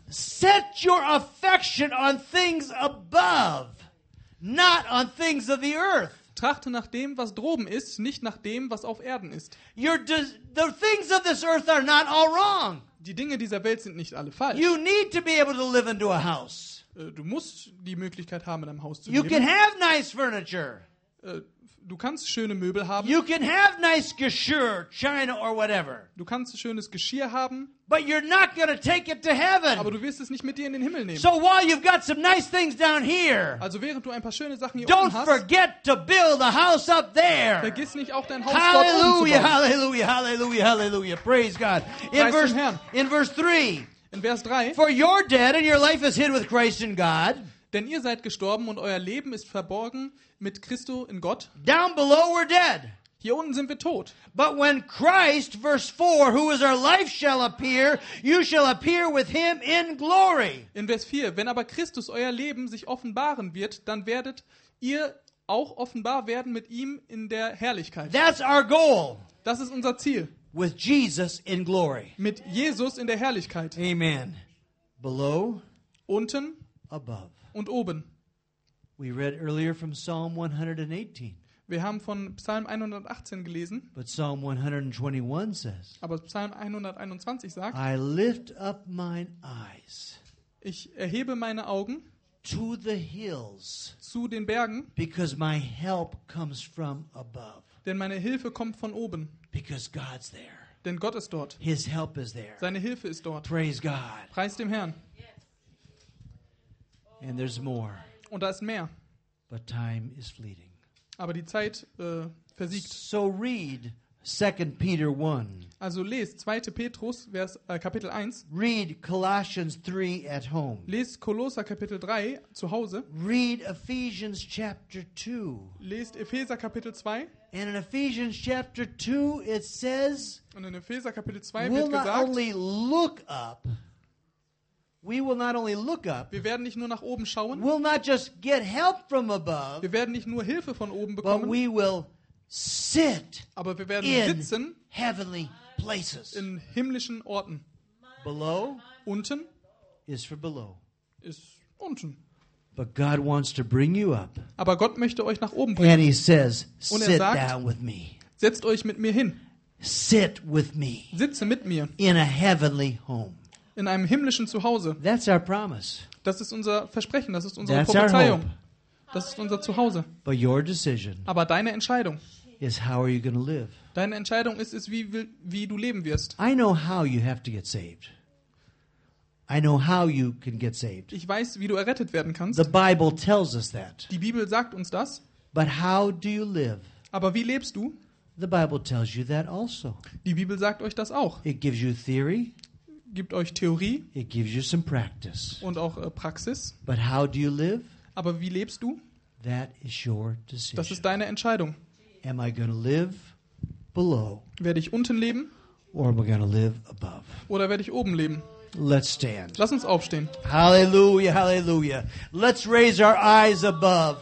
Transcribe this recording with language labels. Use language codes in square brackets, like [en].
[en] Set your affection on things above, not on things of the earth. [de] Trachte nach dem, was droben ist, nicht nach dem, was auf Erden ist. [en] The things of this earth are not all wrong. [de] Die Dinge dieser Welt sind nicht alle falsch. [en] You need to be able to live into a house. [de] Du musst die Möglichkeit haben, in einem Haus zu leben. [en] You can have nice furniture. [de] Du kannst schöne Möbel haben. [en] You can have nice Geschirr, China or whatever. [de] Du kannst schönes Geschirr haben. [en] But you're not gonna take it to heaven. [de] Aber du wirst es nicht mit dir in den Himmel nehmen. [en] So while you've got some nice things down here. [de] Also während du ein paar schöne Sachen hier unten hast. [en] Don't forget to build a house up there. [de] Vergiss nicht auch dein Haus [en] hallelujah, hallelujah, hallelujah, hallelujah. Praise God. [de] In Vers 3. [en] For you're dead and your life is hid with Christ in God. [de] Denn ihr seid gestorben und euer Leben ist verborgen mit Christo in Gott. [en] Down below we're dead. [de] Hier unten sind wir tot. [en] But when Christ, verse 4, who is our life, shall appear, you shall appear with him in glory. [de] In Vers 4, wenn aber Christus euer Leben sich offenbaren wird, dann werdet ihr auch offenbar werden mit ihm in der Herrlichkeit. [en] That's our goal. [de] Das ist unser Ziel. [en] With Jesus in glory. [de] Mit Jesus in der Herrlichkeit. [en] Amen. Below. [de] Unten. [en] Above. [de] Und oben. [en] We read earlier from Psalm 118. [de] Wir haben von Psalm 118 gelesen. [en] But Psalm 121 says. [de] Aber Psalm 121 sagt. [en] I lift up mine eyes. [de] Ich erhebe meine Augen. [en] To the hills. [de] Zu den Bergen. [en] Because my help comes from above. [de] Denn meine Hilfe kommt von oben. [en] Because God's there. [de] Denn Gott ist dort. [en] His help is there. [de] Seine Hilfe ist dort. [en] Praise God. [de] Preis dem Herrn. [en] And there's more. [de] Und da ist mehr. [en] But time is fleeting. [de] Aber die Zeit versiegt. [en] So read 2 Peter 1. [de] Also lest 2. Petrus Kapitel 1. [en] Read Colossians 3 at home. [de] Lest Kolosser Kapitel 3 zu Hause. [en] Read Ephesians chapter 2. [de] Lest Epheser Kapitel 2. [en] And in Ephesians chapter 2 it says. [de] Und in Epheser Kapitel 2 wird gesagt. [en] Will not only look up. We will not only look up. [de] Wir werden nicht nur nach oben schauen. [en] We'll not just get help from above. [de] Wir werden nicht nur Hilfe von oben bekommen. [en] But we will sit. [de] Aber wir werden sitzen. [en] Heavenly places. [de] In himmlischen Orten. [en] Below. [de] Unten. [en] Is for below. [de] Ist unten. [en] But God wants to bring you up. [de] Aber Gott möchte euch nach oben bringen. [en] And he says, sit down with me. [de] Setzt euch mit mir hin. [en] Sit with me. [de] Sitze mit mir. [en] In a heavenly home. [de] In einem himmlischen Zuhause. [en] That's our promise. [de] Das ist unser Versprechen, das ist unsere Prophezeiung. Das ist unser Zuhause. [en] But your decision. [de] Aber deine Entscheidung. [en] Is how are you going to live? [de] Deine Entscheidung ist wie du leben wirst. [en] I know how you have to get saved. I know how you can get saved. [de] Ich weiß, wie du errettet werden kannst. [en] The Bible tells us that. [de] Die Bibel sagt uns das. [en] But how do you live? [de] Aber wie lebst du? [en] The Bible tells you that also. [de] Die Bibel sagt euch das auch. [en] It gives you theory. [de] Gibt euch Theorie. [en] It gives you some practice. [de] Und auch Praxis. [en] But how do you live? [de] Aber wie lebst du? [en] That is your decision. [de] Das ist deine Entscheidung. [en] Am I gonna live below? [de] Werde ich unten leben? [en] Or am I gonna live above? [de] Oder werde ich oben leben? [en] Let's stand. [de] Lass uns aufstehen. [en] Hallelujah, hallelujah. Let's raise our eyes above.